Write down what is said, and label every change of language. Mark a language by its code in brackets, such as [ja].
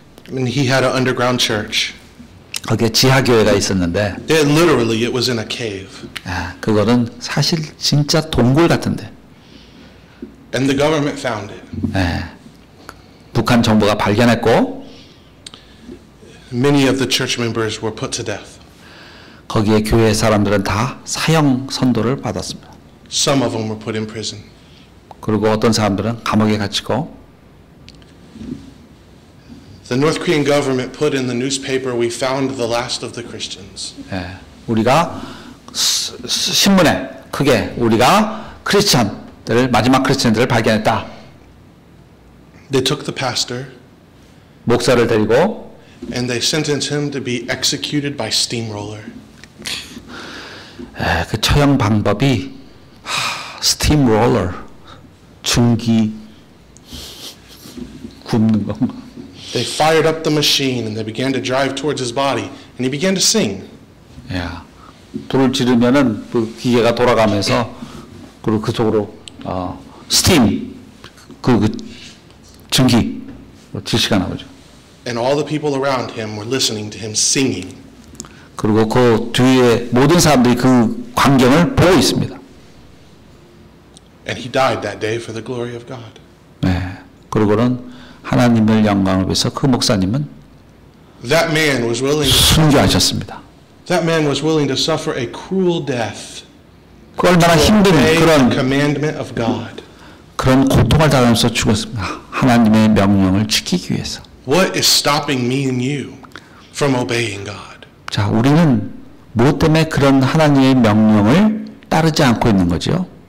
[en] And he had an underground church. [ko] 거기에 지하교회가 있었는데. [en] Yeah, literally, it was in a cave. [ko] 아, 그거는 사실 진짜 동굴 같은데. [en] And the government found it. [ko] 예, 북한 정부가 발견했고. [en] Many of the church members were put to death. [ko] 거기에 교회 사람들은 다 사형 선도를 받았습니다. [en] Some of them were put in prison. [ko] 그리고 어떤 사람들은 감옥에 갇히고. [en] The North Korean government put in the newspaper, "We found the last of the Christians." [ko] 예, 우리가 신문에 크게 우리가 크리스천들을 마지막 크리스천들을 발견했다. [en] They took the pastor, [ko] 목사를 데리고, [en] and they sentenced him to be executed by steamroller. [ko] 예, 그 처형 방법이 steamroller, 중기 굽는 거. [en] They fired up the machine and they began to drive towards his body and he began to sing. Yeah. [ko] 불을 지르면은 그 기계가 돌아가면서 그리고 그쪽으로 스팀 그 증기 지시가 나오죠. [en] And all the people around him were listening to him singing. [ko] 그리고 그 뒤에 모든 사람들이 그 광경을 보고 있습니다. [en] And he died that day for the glory of God. [ko] 네. 그리고는 하나님을 영광을 위해서 그 목사님은 [en] That man was willing [ko] 순교하셨습니다. [en] That man was willing to suffer a cruel death. [ko] 그 얼마나 힘든 그런 [en] commandment of God. [ko] 그런 고통을 당하면서 죽었습니다. 하나님의 명령을 지키기 위해서. [en] What is stopping me and you from obeying God? [ko] 자, 우리는 무엇 때문에 그런 하나님의 명령을 따르지 않고 있는 거죠?